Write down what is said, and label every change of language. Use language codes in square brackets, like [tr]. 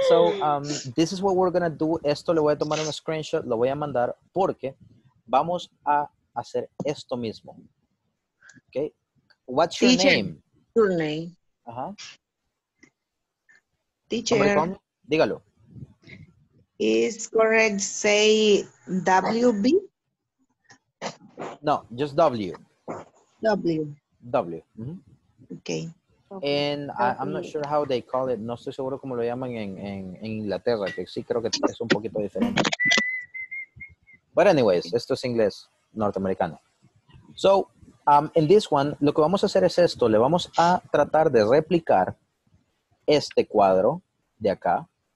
[en] So, this is what we're going to do. [es] Esto le voy a tomar un screenshot, lo voy a mandar porque vamos a hacer esto mismo. [en] Okay. What's your teacher. Name? Your name. Ajá. Teacher. [es] Dígalo. [en] Is correct say WB? No, just W. W. W. Mm-hmm. Okay. And I'm not sure how they call it. [es] No estoy seguro cómo lo llaman en Inglaterra, que sí creo que es un poquito diferente. [en] But anyways, [es] esto es inglés norteamericano. [en] So, in this one, [es] lo que vamos a hacer es esto. Le vamos a tratar de replicar este cuadro de acá.